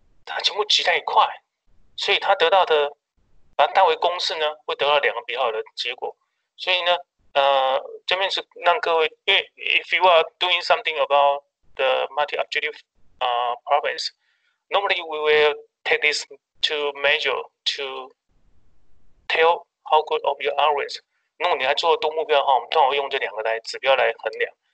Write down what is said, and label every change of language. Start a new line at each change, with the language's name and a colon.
Chinese: 它全部集在一块，所以它得到的，把它代为公式呢，会得到两个比较好的结果。所以呢，这边是让各位，因为
English: if you are doing something about the multi-objective problems, normally we will take this to measure to tell. How good of your algorithms?
Chinese: 如果你在做多目标的话，我们通常用这两个来指标来衡量。